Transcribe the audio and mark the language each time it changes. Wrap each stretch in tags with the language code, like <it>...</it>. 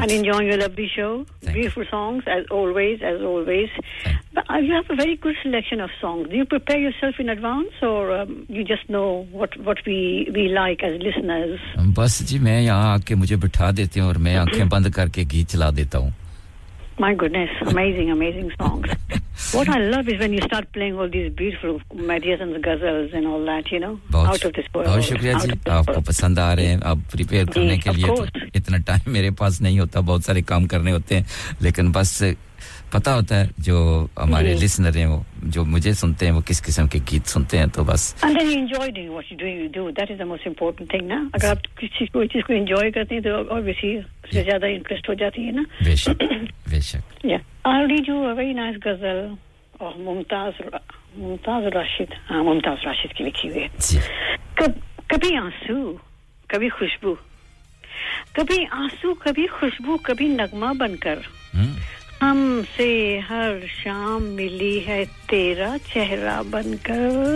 <en>I enjoying your lovely show beautiful songs as always but you have a very good selection of songs do you prepare yourself in advance or you just know what we like as listeners</en> <ur>بس جی میں یہاں آ کے مجھے بٹھا دیتے ہیں اور میں آنکھیں بند کر کے گیت چلا دیتا ہوں</ur> <en>My goodness, amazing songs. What I love is when you start playing all these beautiful Madison's Ghazals and all that, you know, out of this world.</en> <ur>بہت شکریہ جی آپ کو پسند آ رہے ہیں آپ پریپیئر کرنے کے لیے اتنا ٹائم میرے پاس نہیں ہوتا بہت سارے کام کرنے ہوتے ہیں لیکن بس پتا ہوتا ہے جو ہمارے لسنر ہیں وہ جو مجھے سنتے ہیں وہ کس قسم کے گیت سنتے ہیں تو بس</ur> <en>And then you enjoy doing what you do. That is the most important thing, na?</en> <ur>اگر آپ کسی چیز کو enjoy کرتے ہیں تو obviously اس سے زیادہ interest ہو جاتی ہے نا بے شک</ur> <en>Yeah. I'll read you a very nice</en> <ur>ghazal of ممتاز راشد کی لکھی ہوئی ہے کبھی آنسو کبھی خوشبو کبھی آنسو کبھی خوشبو کبھی نغمہ بن کر ہم سے ہر شام ملی ہے تیرا چہرہ بن کر</ur>